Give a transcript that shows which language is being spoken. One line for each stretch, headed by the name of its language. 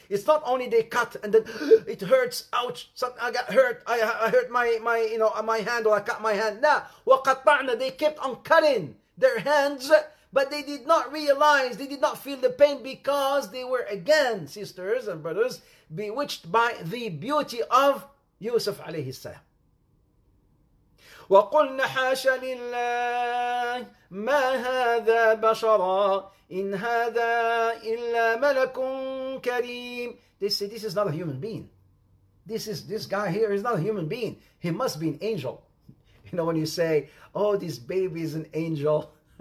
English: It's not only they cut and then it hurts, ouch, something, I got hurt, I hurt my hand or I cut my hand. No, وقطعنا, they kept on cutting their hands, but they did not realize, they did not feel the pain because they were again, sisters and brothers, bewitched by the beauty of Yusuf alayhi salam.
Arabic: وقلنا حاشا لله ما هذا بشرا إن هذا إلا ملك كريم.
English: They say, this is not a human being. This guy here is not a human being. He must be an angel. You know, when you say, oh, this baby is an angel.